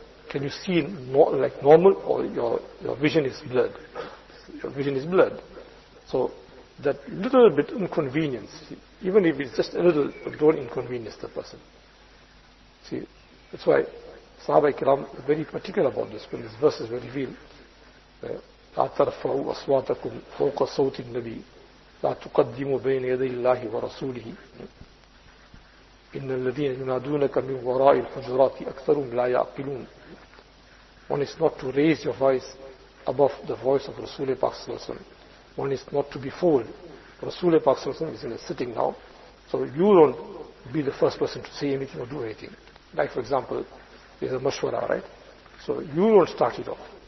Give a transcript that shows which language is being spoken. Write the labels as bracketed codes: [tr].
[en] Can you see like normal, or your vision is blurred? Your vision is blurred. So that little bit inconvenience, even if it's just a little, don't inconvenience the person. See, that's why Sahaba Ikram is very particular about this, when this verse is revealed. [ar] لا ترفعوا أصواتكم فوق صوت النبي لا تقدموا بين يدي الله ورسوله إن الذين ينادونك من وراء الحجرات أكثرهم لا يعقلون. [en] One is not to raise your voice above the voice of Rasulullah Sallallahu Alaihi Wasallam. One is not to be forward. Rasulullah Sallallahu Alaihi Wasallam is in a sitting now, so you don't be the first person to say anything or do anything. Like for example, there's a mashwara, right? So you don't start it off.